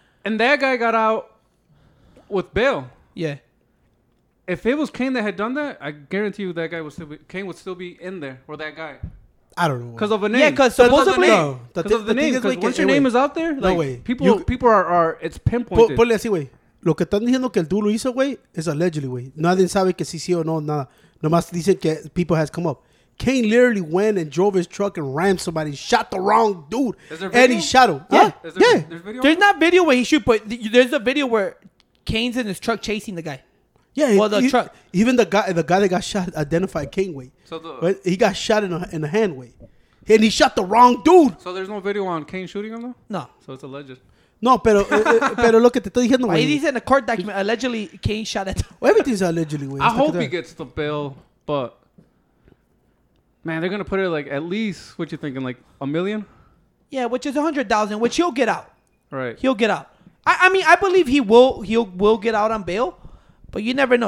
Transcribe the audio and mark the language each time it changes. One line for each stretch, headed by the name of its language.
English: And that guy got out. With bail. Yeah. If it was Cain that had done that, I guarantee you that guy would still be, Cain would still be in there, or that guy. I don't know. Because of a name. Yeah, because supposedly. Because of the name. Because once your name is out there, like, people are, it's pinpointed.
Spanish: Ponle así, güey. Lo que están diciendo que el duro hizo, güey,
English: is allegedly,
Spanish: güey. Nadie sabe que sí o no, nada. Nomás dicen que
English: people has come up. Cain literally went and drove his truck and rammed somebody, shot the wrong dude. Is there video? And he shot him. Yeah. There's not video where he shoot, but there's a video where Cain's in his truck chasing the guy. Yeah. Well, the truck. Even the guy that got shot identified Cain, way. So the, he got shot in the hand, way. And he shot the wrong dude. So there's no video on Cain shooting him, though? No. So it's alleged.
Spanish: No, pero, pero lo que te estoy diciendo,
English: way. He's in a court document. Allegedly, Cain shot at him. Well, everything's allegedly, way. I hope he gets the bail, but, man, they're going to put it like at least, what you thinking, like $1 million? Yeah, which is $100,000, which he'll get out. Right. He'll get out. I mean, I believe he will get out on bail, but you never know.